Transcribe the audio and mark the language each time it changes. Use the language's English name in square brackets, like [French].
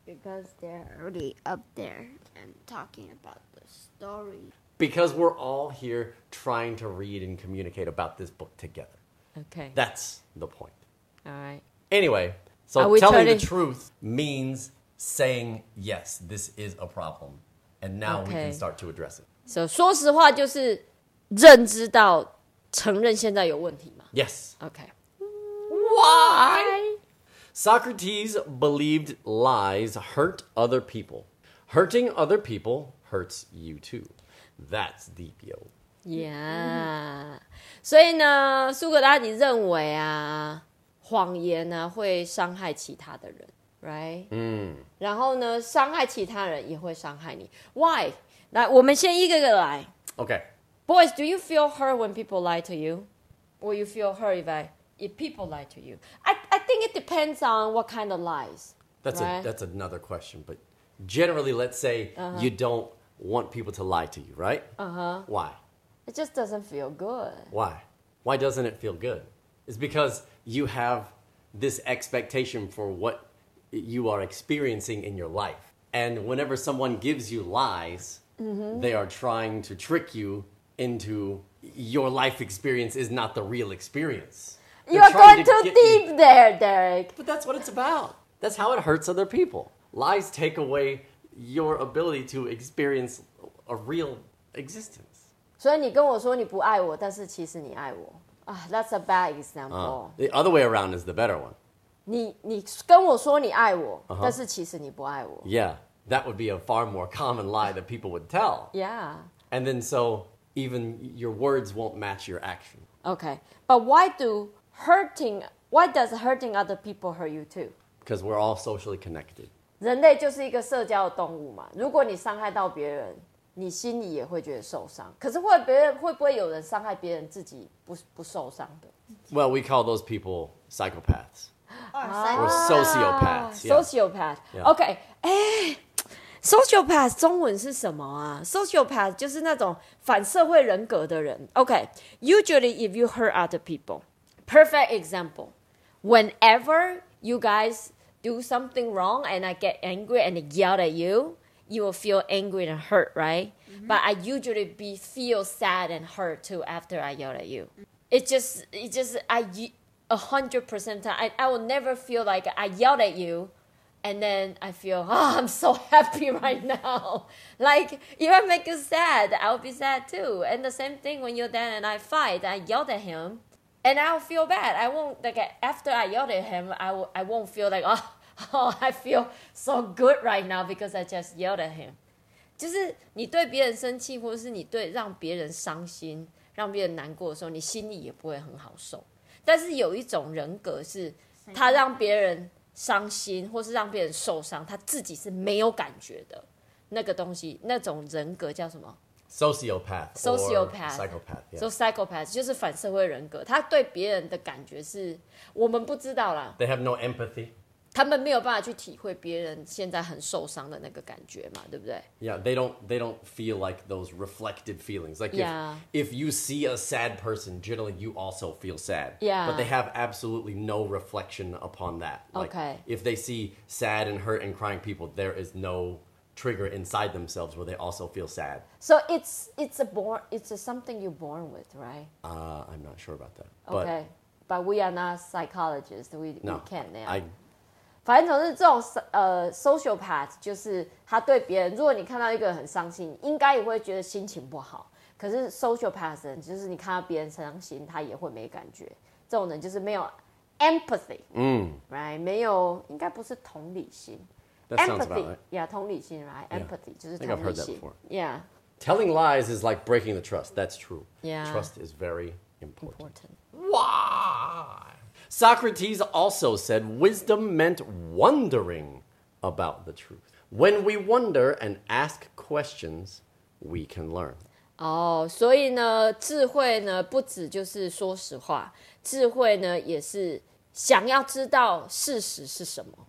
[English] Because they're already up there and talking about the story. Because we're all here trying to read and communicate about this book together. Okay. That's the point. All right. Anyway, so telling the truth means saying, yes, this is a problem. And now we can start to address it. So, [Chinese] 说实话就是认知到承认现在有问题吗? [English] Yes. Okay. Why? Socrates believed lies hurt other people. Hurting other people hurts you too. That's deep, yo. Yeah. [Chinese] 所以呢，苏格拉底认为啊，谎言呢会伤害其他的人 ， [English] right？ [Chinese] 然后呢，伤害其他人也会伤害你。 [English] Why？ [Chinese] 来，我们先一个个来。 [English] Okay. Boys, do you feel hurt when people lie to you? Or you feel hurt if people lie to you? I think it depends on what kind of lies. That's another question. But generally, let's say you don't. Want people to lie to you, right? Why? It just doesn't feel good. Why? Why doesn't it feel good? It's because you have this expectation for what you are experiencing in your life. And whenever someone gives you lies, they are trying to trick you into your life experience is not the real experience. You're going too deep there, Derek. But that's what it's about. That's how it hurts other people. Lies take away... your ability to experience a real existence. [Chinese] 所以你跟我说你不爱我,但是其实你爱我。 [English] That's a bad example. The other way around is the better one. [Chinese] 你跟我说你爱我,但是其实你不爱我。 [English] Yeah, that would be a far more common lie that people would tell. Yeah. And then so even your words won't match your action. Okay, but why does hurting other people hurt you too? Because we're all socially connected. [Chinese] 人类就是一个社交的动物嘛，如果你伤害到别人，你心里也会觉得受伤。可是会不会有人伤害别人自己 不受伤的？ [English] Well, we call those people psychopaths. Or sociopaths. Sociopath. OK. [Chinese] 欸, sociopath 中文是什么啊？ Sociopath 就是那种反社会人格的人。 [English] OK. Usually if you hurt other people, perfect example, whenever you guys do something wrong and I get angry and yell at you,you will feel angry and hurt, right? Mm-hmm. But I usually feel sad and hurt too after I yell at you. It's just 100% time. I will never feel like I yelled at you and then I feel, oh, I'm so happy right now. Like, if I make you sad, I'll be sad too. And the same thing when your dad and I fight, I yelled at him and I'll feel bad. I won't, like, after I yelled at him, I won't feel like, Oh, I feel so good right now because I just yelled at him. [Chinese] 就是你对别人生气，或者是你对让别人伤心、让别人难过的时候，你心里也不会很好受。但是有一种人格是，他让别人伤心，或是让别人受伤，他自己是没有感觉的。那个东西，那种人格叫什么？ [English] Sociopath. Psychopath.、Yeah. So [Chinese] psychopath 就是反社会人格，他对别人的感觉是我们不知道啦。 [English] They have no empathy. [Chinese] 他们没有办法去体会别人现在很受伤的那个感觉嘛，对不对？ [English] Yeah, they don't feel like those reflected feelings. Like if you see a sad person, generally you also feel sad. Yeah. But they have absolutely no reflection upon that. Like, okay. If they see sad and hurt and crying people, there is no trigger inside themselves where they also feel sad. So it's something you're born with, right? I'm not sure about that. Okay. But we are not psychologists. We can't now. I, [Chinese] 反正总是这种sociopath 就是他对别人，如果你看到一个人很伤心，应该也会觉得心情不好。可是 sociopath 人就是你看到别人伤心，他也会没感觉。这种人就是没有 empathy，嗯， [English] right， [Chinese] 没有，应该不是同理心。 [English] Empathy， yeah， [Chinese] 同理心 ， [English] right， [Chinese] empathy 就是同理心。 [English] I think I've heard that before. Yeah. Telling lies is like breaking the trust. That's true. Yeah. Trust is very important. Important. Why? Socrates also said wisdom meant wondering about the truth. When we wonder and ask questions, we can learn. Oh, [Chinese] 所以呢，智慧呢，不只就是说实话，智慧呢，也是想要知道事实是什么。